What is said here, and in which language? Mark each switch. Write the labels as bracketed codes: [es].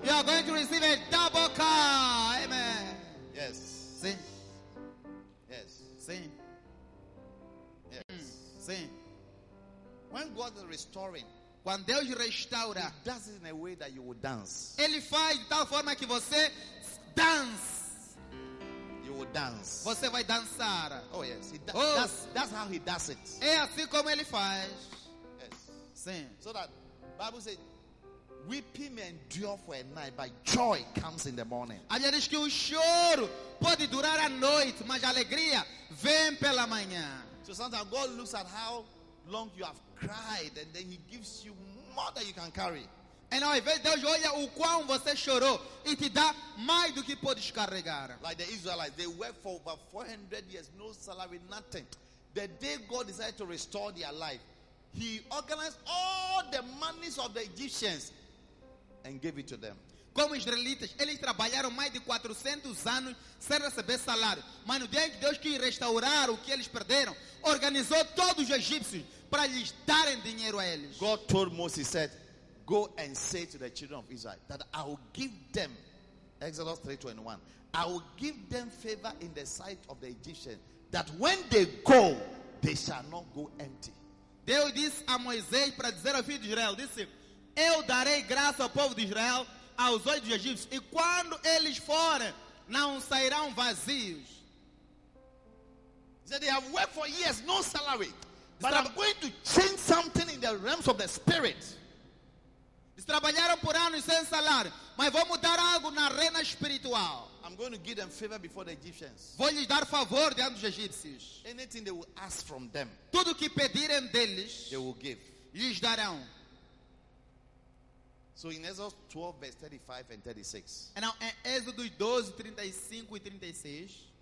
[en] You are going to receive a double car. Amen. Yes. [pt] Sim. [en] Yes. [pt] Sim. [en] Yes. [pt] Sim. [en] When God is restoring, [pt] quando Deus restaura, [en] He does it in a way that you will dance. [pt] Ele faz de tal forma que você dance. [en] You will dance. [pt] Você vai dançar. [en] Oh yes. That's how He does it. [pt] É assim como Ele faz. Sim. [en] So that Bible says, weeping may endure for a night, but joy comes in the morning. [pt] A Bíblia diz que o choro pode durar a noite, mas a alegria vem pela manhã. [en] So sometimes God looks at how long you have cried, and then He gives you more than you can carry. And now, [pt] vez Deus olha o quão você chorou e te dá mais do que pode carregar. [en] Like the Israelites, they worked for over 400 years, no salary, nothing. The day God decided to restore their life, He organized all the monies of the Egyptians and gave it to them. [pt] Como israelitas, eles trabalharam mais de 400 anos sem receber salário. Mas no dia em que Deus quis restaurar o que eles perderam, organizou todos os egípcios para lhes darem dinheiro a eles. [en] God told Moses, said, go and say to the children of Israel that I will give them, Exodus 3:21, I will give them favor in the sight of the Egyptians, that when they go, they shall not go empty. [pt] Deus disse a Moisés para dizer ao filho de Israel, disse, eu darei graça ao povo de Israel, aos olhos dos egípcios, e quando eles forem, não sairão vazios. [en] He said, they have worked for years, no salary, but I'm going to change something in the realms of the spirit. [pt] Eles trabalharam por anos sem salário, mas vou mudar algo na arena espiritual. [en] I'm going to give them favor before the Egyptians. [pt] Vou lhes dar favor diante dos egípcios. [en] Anything they will ask from them, [pt] tudo que pedirem deles, [en] they will give. [pt] Lhes darão. [en] So in Exodus 12, verse 35 and 36. And now in Exodus 12, 35 e 36.